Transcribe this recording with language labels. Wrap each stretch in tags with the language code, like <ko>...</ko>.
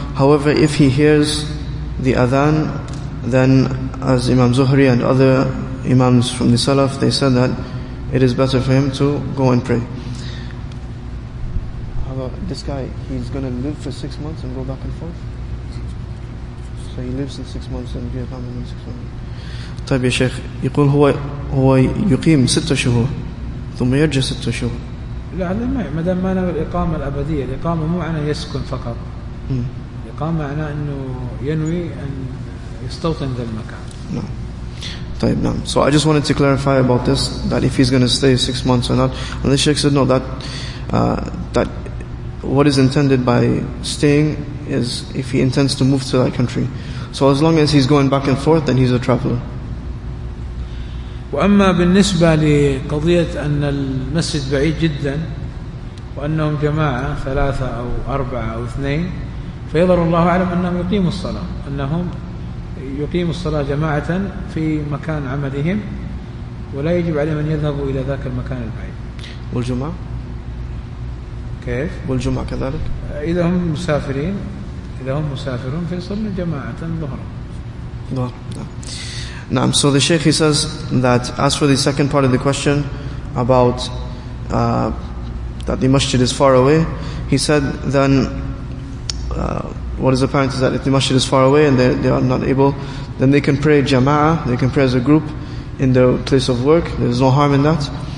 <en>However, if he hears the Adhan, then as Imam Zuhri and other Imams from the Salaf, they said that it is better for him to go and pray. How about this guy? He's going to live for 6 months and go back and forth? So he lives in 6 months and be a family in 6 months.</en> <ar>طيب يا شيخ يقول هو يقيم ستة شهور ثم يرجع ستة شهور. لا هذا ما مدام ما نوى الإقامة الأبدية. الإقامة مو معنى يسكن فقط. الإقامة معنى أنه ينوي أن يستوطن ذا المكان. نعم. طيب نعم.</ar> <en>So I just wanted to clarify about this, that if he's going to stay 6 months or not. And the sheikh said no, that that what is intended by staying is if he intends to move to that country. So as long as he's going back and forth, then he's a traveler.</en> <ar>وأما بالنسبة لقضية أن المسجد بعيد جدا وأنهم جماعة ثلاثة أو أربعة أو اثنين فيظهر الله أعلم أنهم يقيموا الصلاة أنهم يقيموا الصلاة جماعة في مكان عملهم ولا يجب عليهم أن يذهبوا إلى ذاك المكان البعيد. والجمعة كيف؟ والجمعة كذلك؟ إذا هم مسافرين إذا هم مسافرون فيصلون جماعة ظهرا.</ar> <en>Now, so the Shaykh, he says that as for the second part of the question about that the masjid is far away, he said then what is apparent is that if the masjid is far away and they are not able, then they can pray jama'ah, they can pray as a group in their place of work, there's no harm in that.</en>